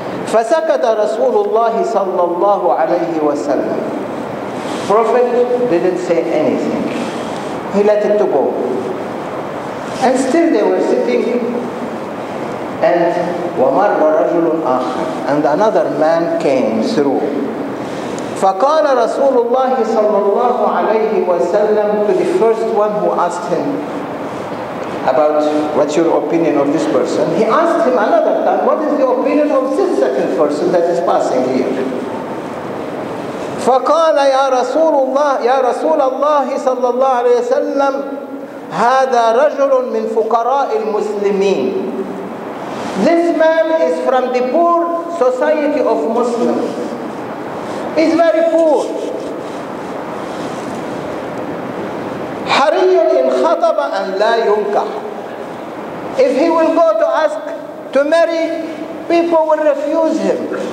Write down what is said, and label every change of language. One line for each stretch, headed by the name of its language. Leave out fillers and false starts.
Arabic: فسكت رسول الله صلى الله عليه وسلم.
English: Prophet didn't say anything. He let it to go. And still they were sitting. And
Arabic: ومر رجل آخر.
English: And another man came through.
Arabic: فقال رسول الله صلى الله عليه وسلم
English: to the first one who asked him about what's your opinion of this person. He asked him another time, what is the opinion of this second person that is passing here?
Arabic: فقال يا رسول الله, يا رسول الله صلى الله عليه وسلم, هذا رجل من فقراء المسلمين.
English: This man is from the poor society of Muslims. He's very poor.
Arabic: حري إن خطب أن لا ينكح.
English: If he will go to ask to marry, people will refuse him.